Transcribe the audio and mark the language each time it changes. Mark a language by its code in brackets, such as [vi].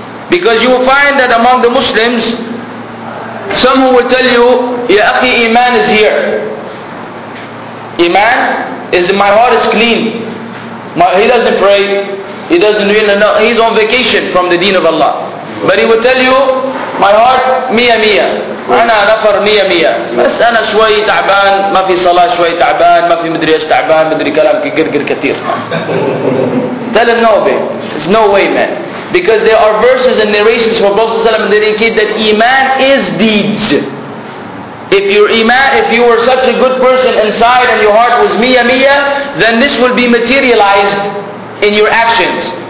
[en] Because you will find that among the Muslims, some who will tell you, Ya Akhi, Iman is here. Iman is, my heart is clean. He doesn't pray. He doesn't really know. He's on vacation from the deen of Allah. But he will tell you, my heart, Mia Mia. [ar] أنا نفر مية مية بس أنا شوي تعبان ما في صلاة شوي تعبان ما في مدري إيش تعبان مدري كلام قرقر كثير. [en] Tell him no way. It's no way, man. Because there are verses and narrations from Prophet ﷺ that indicate that iman is deeds. If your iman, if you were such a good person inside and your heart was mia mia, then this will be materialized in your actions.